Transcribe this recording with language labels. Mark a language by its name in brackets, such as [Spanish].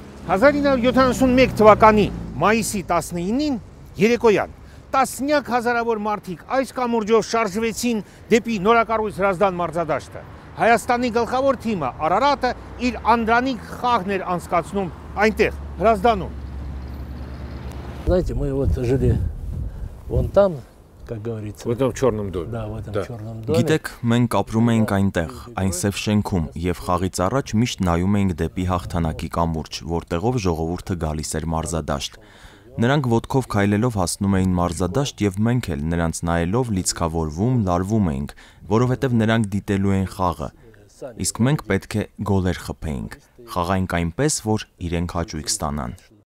[Armenian] ,971 թվականի մայիսի 19-ին երեկոյան տասնյակ հազարավոր մարդիկ այս կամուրջով շարժվեցին դեպի նորակառույց Հրազդան մարզադաշտը։ Հայաստանի գլխավոր թիմը Արարատը իր անդրանիկ խաղն էր անցկացնում այնտեղ Հրազդանում։ [Russian] Знаете, мы вот жили вон там, как говорится. Вот в чёрном доме. Да, вот в чёрном доме. [Armenian] Գիտեք, մենք ապրում էինք այնտեղ, այն սև շենքում, և խաղից առաջ միշտ նայում էինք դեպի հաղթանակի կամուրջ, որտեղով ժողովուրդը գալիս էր մարզադաշտ։ Նրանք ոտքով քայլելով հասնում էին մարզադաշտ և մենք էլ նրանց նայելով լիցքավորվում, լարվում էինք, որովհետև նրանք դիտելու են խաղը, իսկ մենք պետք է գոլեր խփեինք, խաղայինք այնպես, որ իրենք հաճույք ստանան։